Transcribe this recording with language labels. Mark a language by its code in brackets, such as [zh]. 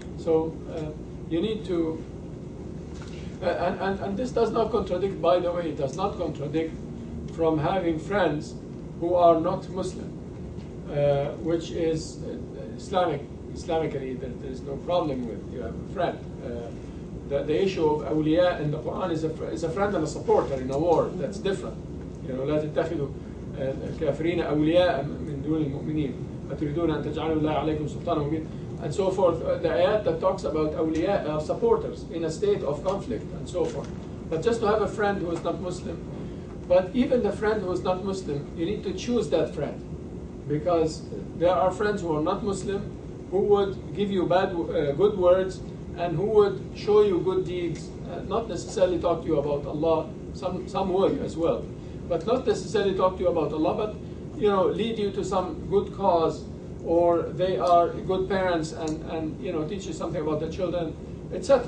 [en] So you need to, and this does not contradict, by the way, it does not contradict from having friends who are not Muslim, which is Islamically, that there's no problem with, you have a friend. The issue of awliya in the Quran is a friend and a supporter in a war. That's different. [ar] You know, لا تتخذوا الكافرين أولياء من دون المؤمنين أتريدون أن تجعلوا الله عليكم سلطانا مبينا, and so forth. [en] The ayat that talks about awliya are supporters in a state of conflict and so forth. But just to have a friend who is not Muslim, but even the friend who is not Muslim, you need to choose that friend, because there are friends who are not Muslim who would give you bad good words, and who would show you good deeds, not necessarily talk to you about Allah, some would as well, but not necessarily talk to you about Allah, but, you know, lead you to some good cause, or they are good parents and you know, teach you something about the children, etc.